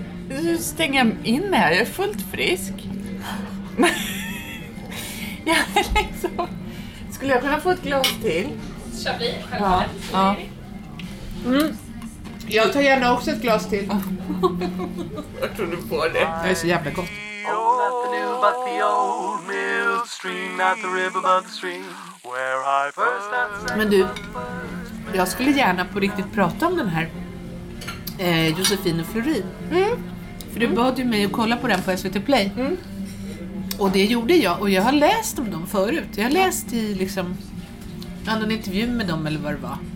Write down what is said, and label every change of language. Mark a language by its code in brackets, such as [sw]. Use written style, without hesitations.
[sv] Nu stänger jag in mig här. Jag är fullt frisk. Ja, liksom. Skulle jag kunna få ett glas till? Kör vi. Ja. Jag tar gärna också ett glas till. Jag tror du får det. Det är så jävla gott. [en] Oh, not the new, but the old mill stream. Not the river, but the stream. Where I first had said. [sv] Men du, jag skulle gärna på riktigt prata om den här Josefin och Florin. För du bad ju mig att kolla på den på SVT Play. Och det gjorde jag. Och jag har läst om dem förut. Jag har läst i liksom annan intervju med dem, eller vad det var.